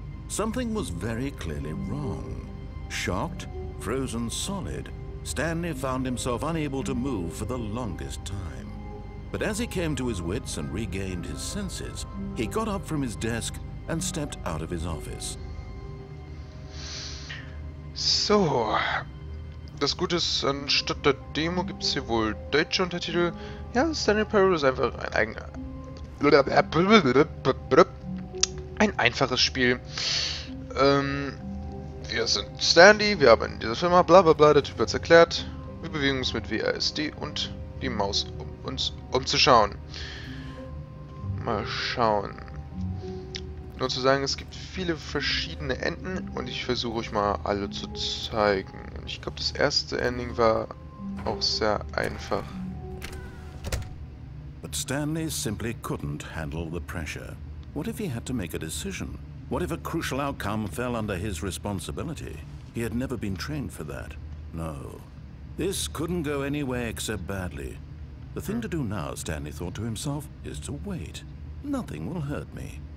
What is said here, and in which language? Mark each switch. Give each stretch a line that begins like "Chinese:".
English: Something was very clearly wrong. Shocked, frozen solid, Stanley found himself unable to move for the longest time. But as he came to his wits and regained his senses, he got up from his desk and stepped out of his office.
German: So, das Gute ist, anstatt der Demo gibt's hier wohl deutsche Untertitel. Ja, Stanley Parable ist einfach ein eigener... ein einfaches Spiel. Wir sind Stanley, wir haben diese Firma, bla bla bla, der Typ hat's erklärt. Wir bewegen uns mit WASD und die Maus, um uns umzuschauen. Mal schauen. Nur zu sagen, es gibt viele verschiedene Enden und ich versuche euch mal alle zu zeigen. Ich glaube, das erste Ending war auch sehr einfach.
English: But Stanley simply couldn't handle the pressure. What if he had to make a decision? What if a crucial outcome fell under his responsibility? He had never been trained for that. No. This couldn't go any way except badly. The thing to do now, Stanley thought to himself, is to wait. Nothing will hurt me.